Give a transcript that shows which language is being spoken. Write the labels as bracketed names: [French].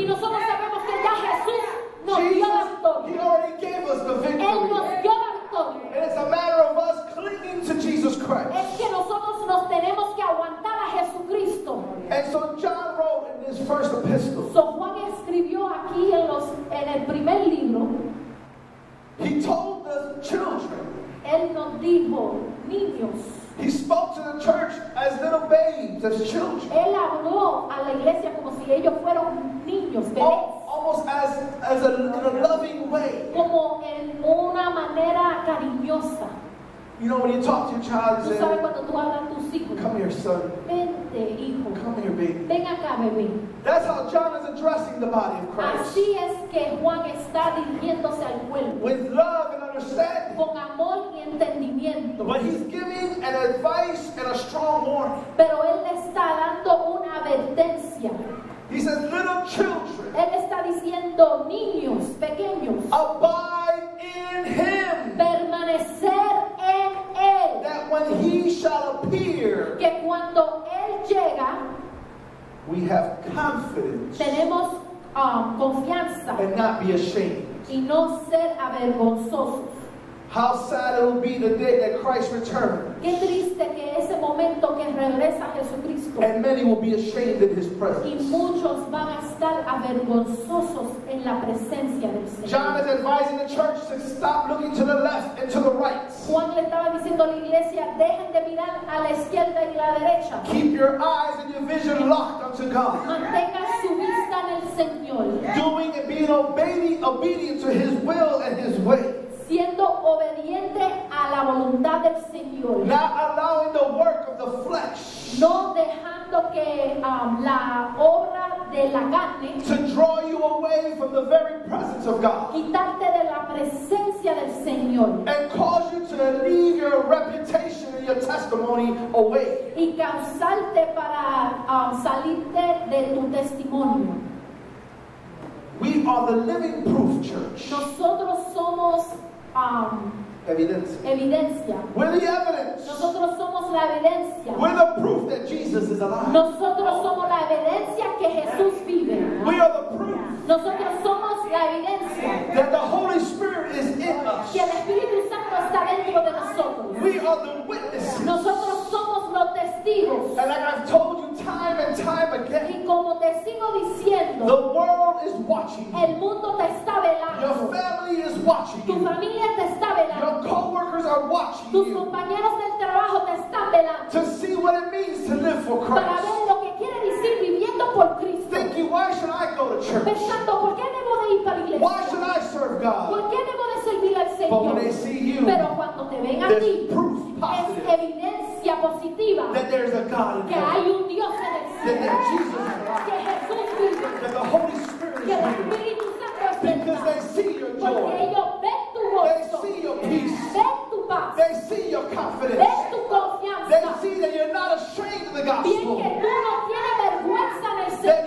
[Spanish] Y nosotros sabemos que ya Jesús nos dio la victoria. [English] He already gave us the victory. [Spanish] Él nos dio la victoria. [English] It's a matter of us clinging to Jesus Christ. [Spanish] Es que nosotros nos tenemos que aguantar a Jesucristo. [English] And so John wrote in his first epistle. [Spanish] So Juan escribió aquí en los en el primer libro. [English] He told the children. [Spanish] Él nos dijo, niños. [English] He spoke to the church as little babes, as children. [Spanish] Él habló a la iglesia como si ellos fueran niños, [English] almost as a, in a loving way. [Spanish] Como en una manera cariñosa. [English] You know, when you talk to your child, [Spanish] ¿tú sabes cuando tú hablas a tus hijos? [English] Come here, son. [Spanish] Vente, hijo. [English] Come here, baby. [Spanish] Ven acá, bebé. [English] That's how John is addressing the body of Christ. [Spanish] Así es que Juan está dirigiéndose al cuerpo. [English] With love and understanding. [Spanish] Con amor y entendimiento. [English] But he's giving an advice and a strong warning. [Spanish] Pero él le está dando una advertencia. [English] He says, little children. [Spanish] Él está diciendo, niños, pequeños. [English] Abide in him. [Spanish] Permanecer. [English] That when he shall appear, [Spanish] que cuando él llega, [English] we have confidence, [Spanish] tenemos confianza, [English] and not be ashamed, [Spanish] y no ser avergonzosos. [English] How sad it will be the day that Christ returns. [Spanish] Qué triste que ese momento que regresa Jesucristo. [English] And many will be ashamed in his presence. [Spanish] Y muchos van a estar avergonzosos en la presencia del Señor. [English] John is advising the church to stop looking to the left and to the right. [Spanish] Juan le estaba diciendo a la iglesia, dejen de mirar a la izquierda y la derecha. [English] Keep your eyes and your vision locked unto God. [Spanish] Mantenga su vista en el Señor. [English] Doing and being obedient to his will and his way. [Spanish] Siendo obediente a la voluntad del Señor. [English] Not allowing the work of the flesh. [Spanish] No dejando que la obra de la carne. [English] To draw you away from the very presence of God. [Spanish] Quitarte de la presencia del Señor. [English] And cause you to leave your reputation and your testimony away. [Spanish] Y causarte para salirte de tu testimonio. [English] We are the living proof, church. [Spanish] Nosotros somos [English] evidencia. We're the evidence. [Spanish] Nosotros somos la evidencia. [English] We're the proof that Jesus is alive. [Spanish] Nosotros somos la evidencia que Jesús vive. [English] We are the proof. [Spanish] Nosotros somos la evidencia. [English] That the Holy Spirit is in us. [Spanish] Que el Espíritu Santo está dentro de nosotros. [English] We are the witnesses. [Spanish] Nosotros somos los testigos. [English] And like I've told you time and time again. [Spanish] Y como te sigo diciendo. [English] The world is watching. [Spanish] El mundo te está velando. [English] Your family is watching. [Spanish] Tu familia te está velando. [English] Your coworkers are watching. [Spanish] Tus compañeros del trabajo te están velando. [English] To see what it means to live for Christ. [Spanish] Para ver lo que quiere decir viviendo por Cristo. [English] Thinking, why should I go to church? [Spanish] Pensando, ¿por qué debo de ir para la iglesia? [English] Why should I serve God? [Spanish] ¿Por qué debo de servir al Señor? [English] But when they see you, [Spanish] pero cuando te ven a ti, [English] proof positive, [Spanish] es evidencia positiva [English] that there's a God in [Spanish] que [English] God. [Spanish] Hay un Dios en el cielo. [English] That Jesus is [Spanish] alive. Que Jesús vive. [English] That the Holy Spirit is here. Because they see your joy. [Spanish] Porque ellos ven tu gozo. [English] They see your peace. [Spanish] Ven tu paz. [English] They see your confidence. [Spanish] Ven tu confianza. [English] They see that you're not ashamed of the gospel. [Spanish] Bien que tú no tienes vergüenza del Señor.